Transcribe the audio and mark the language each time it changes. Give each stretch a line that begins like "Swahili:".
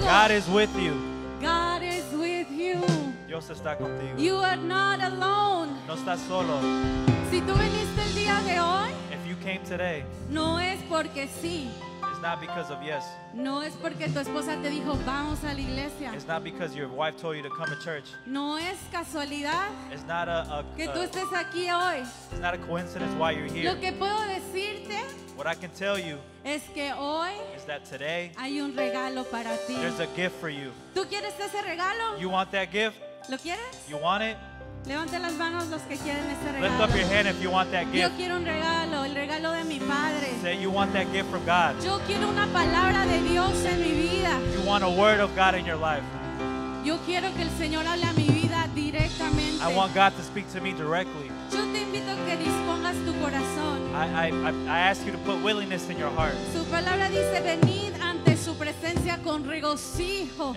English: God is with you. God is with you.
Spanish: Dios está contigo.
English: You are not alone.
Spanish: No estás solo. Si tú viniste el día de hoy,
English: if you came today,
Spanish: no es porque sí.
English: It's not because of yes.
Spanish: No es porque tu esposa te dijo vamos a la iglesia.
English: It's not because your wife told you to come to church.
Spanish: No es casualidad.
English: It's not a
Spanish: que tú estés aquí hoy.
English: It's not a coincidence why you're here.
Spanish: Lo que puedo decirte.
English: What I can tell you.
Spanish: Es que hoy.
English: Is that today.
Spanish: Hay un regalo para ti.
English: There's a gift for you.
Spanish: ¿Tú quieres ese regalo?
English: You want that gift?
Spanish: ¿Lo quieres?
English: You want it?
Spanish: Levante las manos los que quieren ese regalo.
English: Lift up your hand if you want that gift.
Spanish: Yo quiero un regalo, el regalo de mi padre.
English: Say you want that gift from God.
Spanish: Yo quiero una palabra de Dios en mi vida.
English: You want a word of God in your life.
Spanish: Yo quiero que el Señor hable a mi vida directamente.
English: I want God to speak to me directly.
Spanish: Yo te invito a que dispongas tu corazón.
English: I ask you to put willingness in your heart.
Spanish: Su palabra dice venid ante su presencia con regocijo.